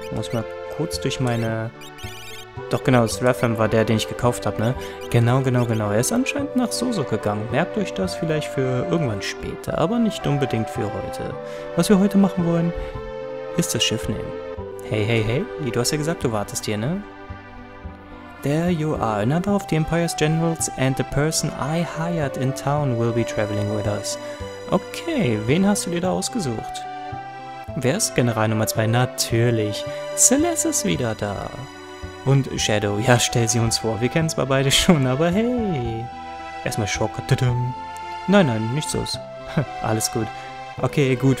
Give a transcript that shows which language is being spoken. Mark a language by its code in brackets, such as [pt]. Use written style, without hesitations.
[de] Muss mal kurz durch meine... Doch genau, Srafam war der, den ich gekauft habe, ne? Genau. Er ist anscheinend nach Soso gegangen. Merkt euch das vielleicht für irgendwann später, aber nicht unbedingt für heute. Was wir heute machen wollen, ist das Schiff nehmen. Hey. Du hast ja gesagt, du wartest hier, ne? [en] There you are. Another of the Empire's generals and the person I hired in town will be traveling with us. [de] Okay, wen hast du dir da ausgesucht? Wer ist General Nummer 2? Natürlich. Celeste ist wieder da. Und Shadow. Ja, stell sie uns vor. Wir kennen zwar beide schon, aber hey. Erstmal Schock. Nein, nichts los. Alles gut. Okay, gut.